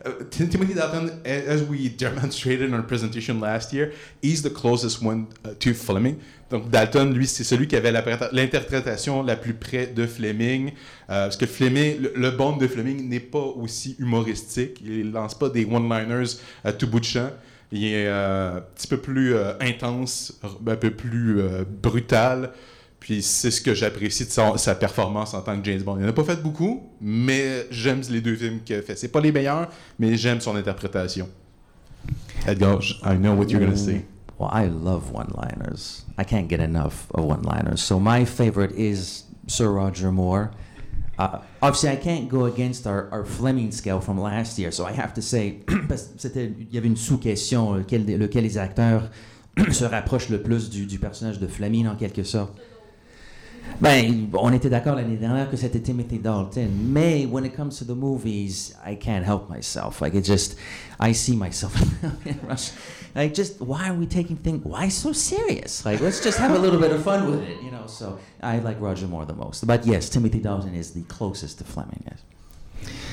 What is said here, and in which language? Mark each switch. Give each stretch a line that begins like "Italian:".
English: Timothy Dalton, as we demonstrated in our presentation last year, he's the closest one to Fleming.
French: Donc Dalton, lui, c'est celui qui avait l'interprétation la plus près de Fleming. Parce que Fleming, le Bond de Fleming n'est pas aussi humoristique. Il lance pas des one-liners à tout bout de champ. Il est un petit peu plus intense, un peu plus brutal. Puis c'est ce que j'apprécie de sa performance en tant que James Bond. Il n'en a pas fait beaucoup, mais j'aime les deux films qu'il a fait. C'est pas les meilleurs, mais j'aime son interprétation.
English: Edgar, I know what you're going to say. Well, I love one-liners. I can't get enough of one-liners. So my favorite is Sir Roger Moore. Obviously, I can't go against our Fleming scale from last year. So I have to say,
French: c'était, il y avait une sous-question, lequel des acteurs se rapproche le plus du personnage de Fleming, en quelque sorte. Ben, on était d'accord l'année dernière que c'était Timothy Dalton.
English: Mais when it comes to the movies, I can't help myself. Like, it just, I see myself in Rush. Like, just, why are we taking things, why so serious? Like, let's just have a little bit of fun with it, you know? So, I like Roger Moore the most. But yes, Timothy Dalton is the closest to Fleming, yes.